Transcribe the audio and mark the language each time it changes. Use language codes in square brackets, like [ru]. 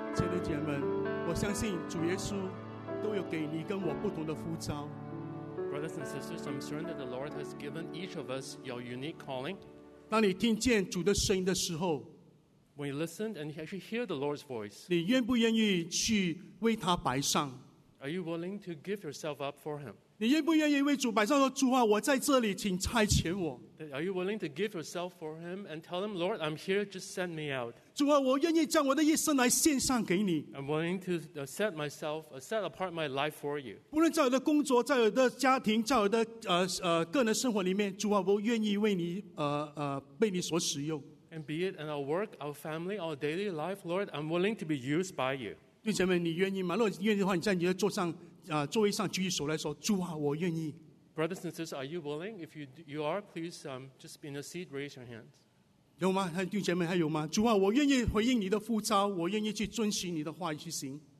[zh] 弟姐们，我相信主耶稣都有给你跟我不同的呼召。 [en] Brothers and sisters, I'm certain that the Lord has given each of us your unique calling. [zh] 当你听见主的声音的时候， [en] When you listen and you actually hear the Lord's voice, [zh] 你愿不愿意去为他摆上？ [en] Are you willing to give yourself up for him? [zh] 你愿不愿意为主摆上说，主啊，我在这里，请差遣我。 [en] Are you willing to give yourself for him and tell him, Lord, I'm here, just send me out. [zh] 主啊，我愿意将我的一生来献上给你。 [en] I'm willing to set myself, set apart my life for you. [zh] 不论在我的工作，在我的家庭，在我的个人生活里面，主啊，我愿意为你被你所使用。 [en] And be it in our work, our family, our daily life, Lord, I'm willing to be used by you. [zh] 弟兄们，你愿意吗？如果愿意的话，你在你的座上座位上举起手来说，主啊，我愿意。 [en] Brothers and sisters, are you willing? If you are, please just be in a seat, raise your hands. [zh] 有吗？弟兄姐妹，还有吗？主啊，我愿意回应你的呼召，我愿意去遵循你的话语去行。